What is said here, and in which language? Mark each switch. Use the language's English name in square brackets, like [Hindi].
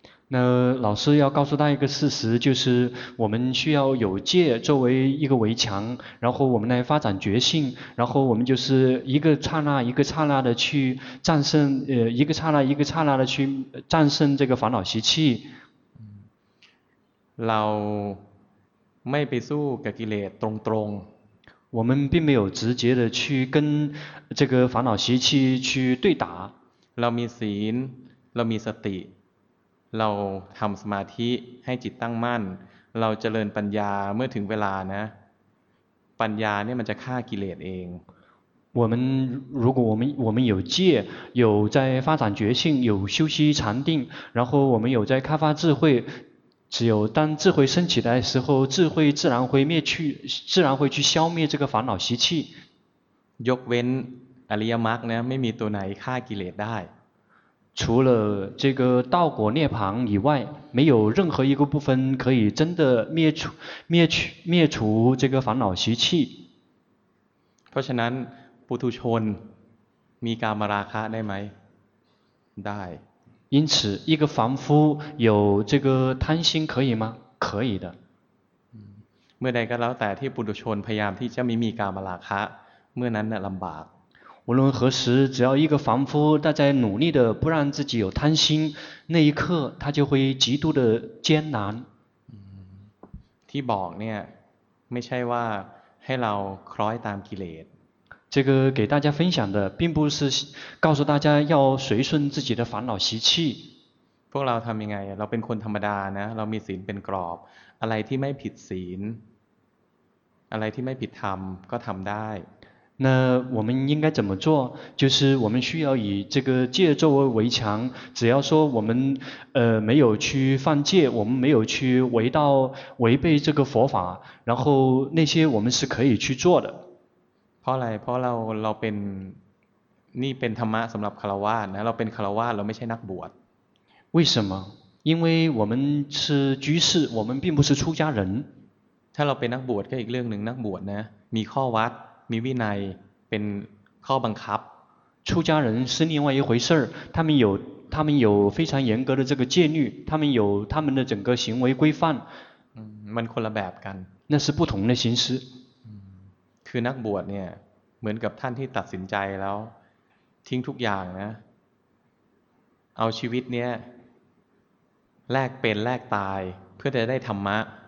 [Chinese] 那老师要告诉大家一个事实，就是我们需要有戒作为一个围墙，然后我们来发展觉性，然后我们就是一个刹那一个刹那的去战胜，一个刹那一个刹那的去战胜这个烦恼习气。 [Thai] เราไม่ไปสู้กับกิเลสตรง [Chinese] ๆ我们并没有直接的去跟这个烦恼习气去对打。 [Thai] เรามีศีล เรามีสติเราทำสมาธิให้จิตตั้งมั่นเราเจริญปัญญาเมื่อถึงเวลานะปัญญาเนี่ยมันจะฆ่ากิเลสเอง [Chinese] 我们如果我们有戒有在发展觉性有修习禅定然后我们有在开发智慧只有当智慧升起的时候智慧自然会灭去自然会去消灭这个烦恼习气 [Thai] ยกเว้นอริยมรรคนะไม่มีตัวไหนฆ่ากิเลสได้ [Chinese] 除了这个道果涅槃以外，没有任何一个部分可以真的灭除这个烦恼习气。 [Thai] เพราะฉะนั้นปุถุชนมีกามราคะได้ไหมได้。 [Chinese] 因此，一个凡夫有这个贪心可以吗？可以的。 [Thai] เมื่อใดก็แล้วแต่ที่ปุถุชนพยายามที่จะไม่มีกามราคะเมื่อนั้นลำบาก。 [Chinese] 无论何时，只要一个凡夫，他在努力的不让自己有贪心，那一刻他就会极度的艰难。 [Thai] ที่บอกเนี่ยไม่ใช่ว่าให้เราคล้อยตามกิเลส。 [Chinese] 这个给大家分享的，并不是告诉大家要随顺自己的烦恼习气。 [Thai] พวกเราทำยังไงเราเป็นคนธรรมดานะเรามีศีลเป็นกรอบอะไรที่ไม่ผิดศีลอะไรที่ไม่ผิดธรรมก็ทำได้ [Chinese] 那我们应该怎么做？就是我们需要以这个戒作为围墙。只要说我们没有去犯戒，我们没有去违背这个佛法，然后那些我们是可以去做的。 [Thai] เพราะอะไร？เพราะเราเป็นนี่เป็นธรรมะสำหรับคารวะนะเราเป็นคารวะเราไม่ใช่นักบวช。 [Chinese] 为什么？因为我们是居士，我们并不是出家人。 [Thai] ถ้าเราเป็นนักบวชก็อีกเรื่องหนึ่งนักบวชนะมีข้อวัดมีวินัยเป็นข้อบังคับ [Chinese] 出家人是另外一回事他们有非常严格的这个戒律他们有他们的整个行为规范 [Thai] มันคนละแบบกัน [Chinese] 那是不同的形式 [Thai] คือนักบวชเนี่ยเหมือนกับท่านที่ตัดสินใจแล้วทิ้งทุกอย่างนะเอาชีวิตเนี่ยแลกเป็นแลกตายเพื่อจะได้ธรรมะ